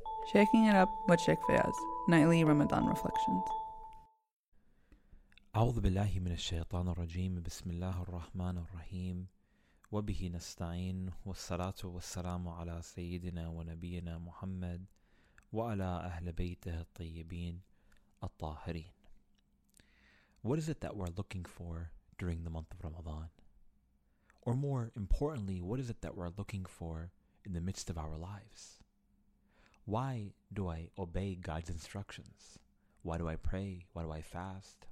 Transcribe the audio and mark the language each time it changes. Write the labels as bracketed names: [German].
[English] Shaking it up with Sheikh Fayaz, nightly Ramadan reflections. [Arabic] أعوذ بالله من الشيطان الرجيم بسم الله الرحمن الرحيم وبه نستعين والصلاة والسلام على سيدنا ونبينا محمد وعلى أهل بيته الطيبين الطاهرين. [English] What is it that we're looking for during the month of Ramadan? Or more importantly, what is it that we're looking for in the midst of our lives? Why do I obey God's instructions? Why do I pray? Why do I fast?